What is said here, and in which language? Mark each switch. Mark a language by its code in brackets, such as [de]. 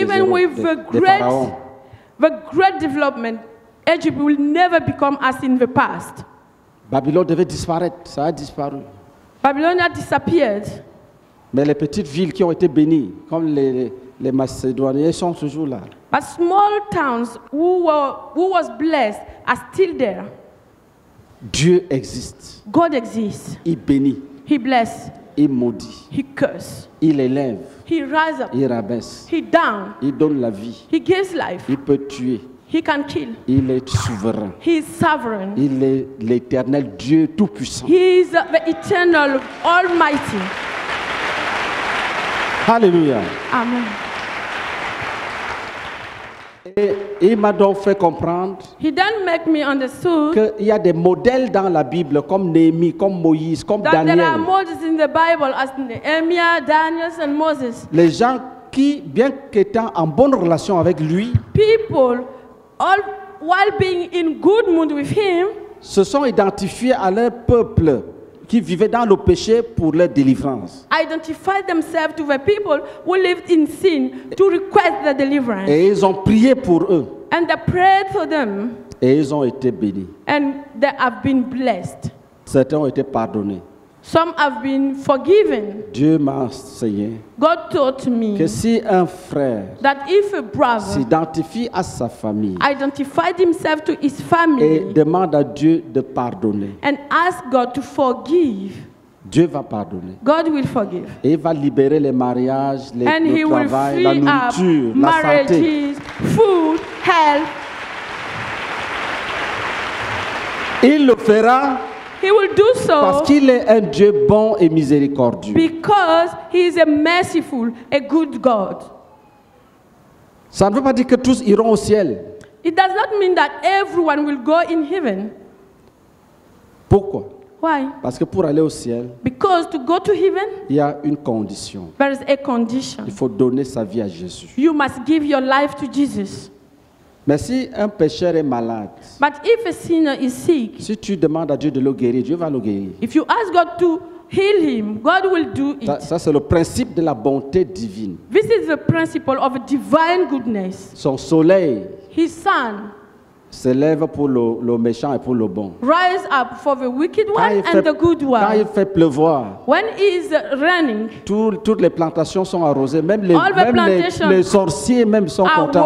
[en] even [fr] des [en] with the great, the great development, Egypt will never become as in the past. [fr] Babylone devait disparaître, ça a disparu. [en] Babylone a disappeared. [fr] Mais les petites villes qui ont été bénies, comme les Macédoniens, sont toujours là. [en] But small towns who was blessed are still there. [fr] Dieu existe. [en] God exists. [fr] Il bénit. [en] He blesses. [fr] Il maudit. [en] He curses. [fr] Il élève. [en] He rises up. [fr] Il rabaisse. [en] He down. [fr] Il donne la vie. [en] He gives life. [fr] Il peut tuer. [en] He can kill. [fr] Il est souverain. [en] He is sovereign. [fr] Il est l'éternel Dieu tout-puissant. [en] He is the eternal Almighty. Hallelujah. Amen. [fr] il m'a donc fait comprendre [en] he then make me understood [fr] qu'il y a des modèles dans la Bible comme Néhémie, comme Moïse, comme [en] that [fr] Daniel. [en] There are models in the Bible as Nehemiah, Daniel and Moses. [fr] Les gens qui, bien qu'étant en bonne relation avec lui, [en] people, all, while being in good mood with him, [fr] se sont identifiés à leur peuple qui vivait dans le péché pour leur délivrance. [en] Identify themselves to the people who lived in sin to request their deliverance. [fr] Et ils ont prié pour eux. [en] And they prayed for them. [fr] Et ils ont été bénis. [en] And they have been blessed. [fr] Certains ont été pardonnés. [en] Some have been forgiven. [fr] Dieu m'a enseigné. [en] God taught me [fr] que si un frère [en] that if a brother [fr] s'identifie à sa famille, [en] identified himself to his family, [fr] et demande à Dieu de pardonner, [en] and ask God to forgive, [fr] Dieu va pardonner. [en] God will forgive. [fr] Et il va libérer les mariages, les [en] and [fr] le [en] he [fr] travail, [en] will free [fr] la nourriture, [en] up marriages, [fr] la santé, [en] food, health. [fr] Il le fera. [en] He will do so [fr] parce qu'il est un Dieu bon et miséricordieux. [en] Because he is a merciful, a good God. [fr] Ça ne veut pas dire que tous iront au ciel. [en] It does not mean that everyone will go in heaven. [fr] Pourquoi? [en] Why? [fr] Parce que pour aller au ciel, [en] because to go to heaven, [fr] il y a une condition. [en] There is a condition. [fr] Il faut donner sa vie à Jésus. [en] You must give your life to Jesus. [fr] Mais si un pécheur est malade, [en] but if a sinner is sick, [fr] si tu demandes à Dieu de le guérir, Dieu va le guérir. [en] If you ask God to heal him, God will do it. [fr] Ça c'est le principe de la bonté divine. [en] This is the principle of divine goodness. [fr] Son soleil, [en] his sun, [fr] se lève pour le méchant et pour le bon. [en] Rise up for the wicked one fait, and the good one. [fr] Quand il fait pleuvoir, [en] when it is raining, [fr] toutes les plantations sont arrosées, même les sorciers même sont contents.